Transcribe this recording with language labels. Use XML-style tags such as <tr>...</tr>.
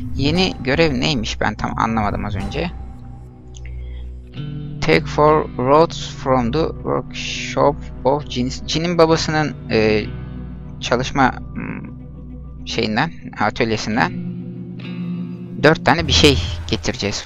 <tr>Yeni görev neymiş, ben tam anlamadım az önce.</tr> <en>Take four rods from the workshop of Jin's.</en> <tr>Jin'in babasının çalışma şeyinden, atölyesinden 4 tane bir şey getireceğiz.</tr>